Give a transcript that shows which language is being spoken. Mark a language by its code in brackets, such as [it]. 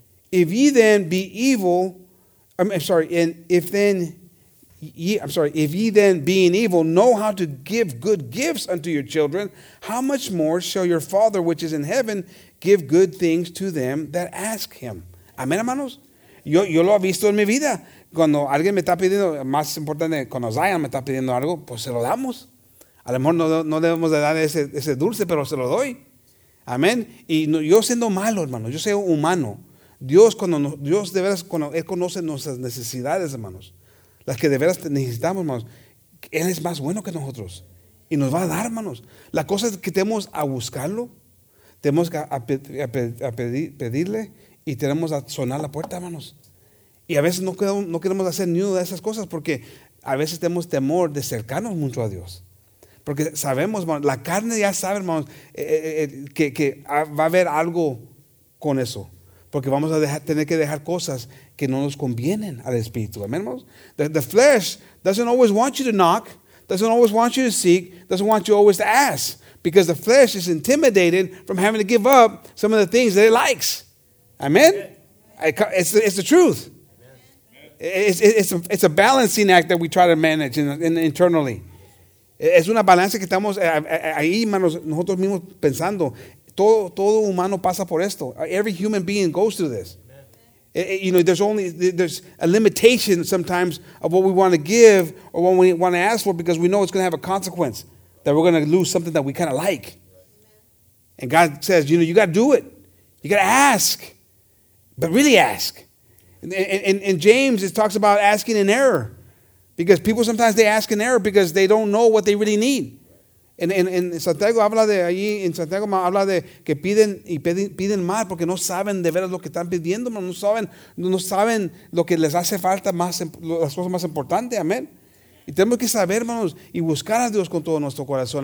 [en] If ye then be evil, if ye then being evil know how to give good gifts unto your children, how much more shall your Father which is in heaven give good things to them that ask him? [es] Amén, hermanos. Yo lo he visto en mi vida. Cuando alguien me está pidiendo, más importante, cuando Zion me está pidiendo algo, pues se lo damos. A lo mejor no debemos de dar ese dulce, pero se lo doy. Amén. Y no, yo siendo malo, hermano, yo soy humano. Dios de veras, cuando Él conoce nuestras necesidades, hermanos, las que de veras necesitamos, hermanos, Él es más bueno que nosotros. Y nos va a dar, hermanos. La cosa es que tenemos a buscarlo, tenemos pedirle y tenemos a sonar la puerta, hermanos. Y a veces no queremos hacer ni una de esas cosas porque a veces tenemos temor de acercarnos mucho a Dios. Porque sabemos, hermanos, la carne ya sabe, hermanos, que va a haber algo con eso. Porque vamos a tener que dejar cosas que no nos convienen al Espíritu. Amén, hermanos. [en] The flesh doesn't always want you to knock, doesn't always want you to seek, doesn't want you always to ask. Because the flesh is intimidated from having to give up some of the things that it likes. Amen? It's the truth. It's a balancing act that we try to manage internally. [es] Es una balanza que estamos ahí, hermanos, nosotros mismos pensando. Todo humano pasa por esto. [en] Every human being goes through this. You know, there's a limitation sometimes of what we want to give or what we want to ask for because we know it's going to have a consequence that we're going to lose something that we kind of like. And God says, you know, you got to do it. You got to ask, but really ask. In James, it talks about asking in error. Because people sometimes they ask in error because they don't know what they really need. [es] And Santiago habla de allí, en Santiago habla de que piden y piden mal porque no saben de veras lo que están pidiendo, no saben lo que les hace falta más, las cosas más importantes. Amén. Y tenemos que saber, hermanos, y buscar a Dios con todo nuestro corazón.